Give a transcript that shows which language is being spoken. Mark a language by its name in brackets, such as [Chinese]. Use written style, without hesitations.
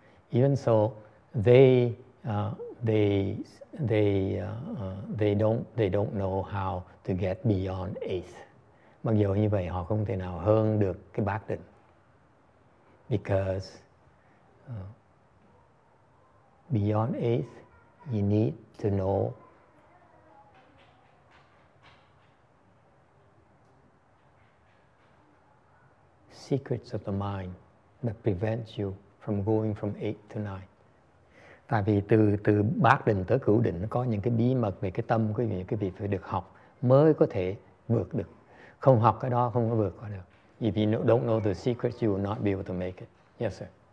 [English] Even so, they don't know how to get beyond eighth. [Vietnamese] Mặc dù như vậy, họ không thể nào hơn được cái bát định. [English] Because beyond eighth, you need to know secrets of the mind that prevents you from going from eighth to ninth. [Vietnamese] Tại vì từ bát định tới cửu định có những cái bí mật về cái tâm của quý vị phải được học mới có thể vượt được. Không học cái đó không có vượt qua được. [English] If you don't know the secrets, you will not be able to make it. Yes, sir.